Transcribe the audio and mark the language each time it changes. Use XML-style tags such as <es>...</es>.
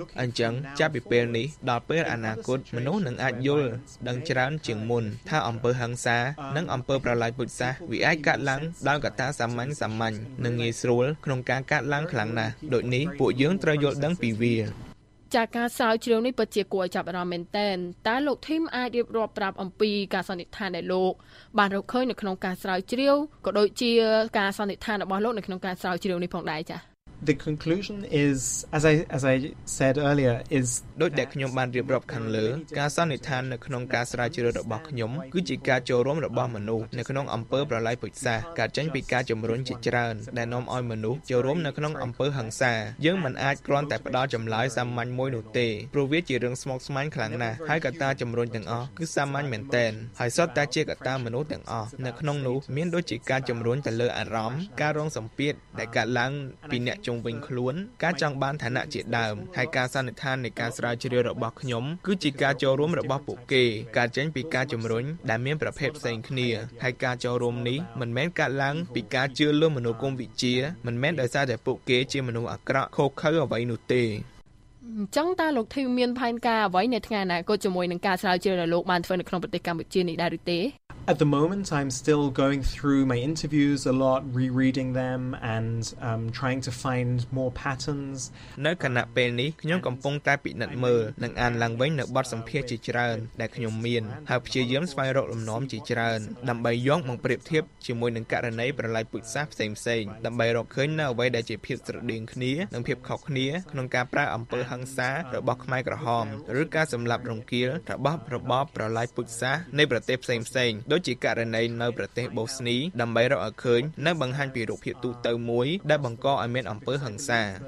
<km>អញ្ចឹងចាប់ពីពេលនេះដល់ពេលអនាគតមនុស្សនឹងអាចយល់ដឹងច្រើនជាងមុនថាអំពើហិង្សានិងអំពើប្រល័យពូជសាសន៍វាអាចកាត់ឡើងដោយកត្តាសាមញ្ញៗនិងងាយស្រួលក្នុងការកាត់ឡើងខ្លាំងណាស់ដូចនេះពួកយើងត្រូវយល់ដឹងពីវា ចាការស្រាវជ្រាវនេះពិតជាគួរឲ្យចាប់អារម្មណ៍មែនទែនតើលោកធីមអាចរៀបរាប់ប្រាប់អំពីការសន្និដ្ឋានដែលលោកបានរកឃើញនៅក្នុងការស្រាវជ្រាវក៏ដូចជាការសន្និដ្ឋានរបស់លោកនៅក្នុងការស្រាវជ្រាវនេះផងដែរចា</km> <en>The conclusion is as I said earlier is</en> <km>ដូចដែលខ្ញុំបានរៀបរាប់ខាងលើការសន្និដ្ឋាននៅក្នុងការស្រាវជ្រាវរបស់ខ្ញុំគឺជាការចូលរួមរបស់មនុស្សនៅក្នុងអំពើប្រល័យពូជសាសន៍ការចេញពីការជំរុញជាច្រើនដែលនាំឲ្យមនុស្សចូលរួមនៅក្នុងអំពើហិង្សាយើងមិនអាចគ្រាន់តែផ្ដោតចំឡាយសាមញ្ញមួយនោះទេព្រោះវាជារឿងស្មុគស្មាញខ្លាំងណាស់ហើយកត្តាជំរុញទាំងអស់គឺសាមញ្ញមែនទែនហើយសុទ្ធតែជាកត្តាមនុស្សទាំងអស់នៅក្នុងនោះមានដូចជាការជំរុញទៅលើអារម្មណ៍ការរងសម្ពាធដែលកើតឡើង ពីជុំវិញខ្លួនការចង់បានឋានៈជាដើមហើយការសន្និដ្ឋាននៃការស្រាវជ្រាវរបស់ខ្ញុំគឺជាការចូលរួមរបស់ពួកគេការចេញពីការជំរុញដែលមានប្រភេទផ្សេងគ្នាហើយការចូលរួមនេះមិនមែនកើតឡើងពីការជឿលើមនោគមវិជ្ជាមិនមែនដោយសារតែពួកគេជាមនុស្សអាក្រក់ខូចខើអ្វីនោះទេ អញ្ចឹងតើលោកធីមមានផែនការអ្វីនៅថ្ងៃអនាគតជាមួយនឹងការស្រាវជ្រាវរបស់លោកបានធ្វើនៅក្នុងប្រទេសកម្ពុជានេះដែរឬទេ</km> <en>At the moment, I'm still going through my interviews a lot, rereading them, and trying to find more patterns.</en> <km>នៅគណៈពេលនេះខ្ញុំកំពុងតែពិនិត្យមើលនិងអានឡើងវិញនៅបទសម្ភាសន៍ជាច្រើនដែលខ្ញុំមានហើយព្យាយាមស្វែងរកលំនាំជាច្រើនដើម្បីយកមកប្រៀបធៀបជាមួយនឹងករណីប្រឡាយពូជសាសន៍ផ្សេងៗដើម្បីរកឃើញនូវអ្វីដែលជាភាពស្រដៀងគ្នានិងភាពខុសគ្នាក្នុងការប្រើអំពើហិង្សារបស់ខ្មែរក្រហមឬការសម្លាប់រង្គាលរបស់របបប្រឡាយពូជសាសន៍នៃប្រទេសផ្សេងៗដូចជាករណីនៅប្រទេសបូស្នីដើម្បីរកឃើញនិងបង្ហាញពីរូបភាពទូទៅមួយដែលបង្កឲ្យមានអំពើហិង្សា</km>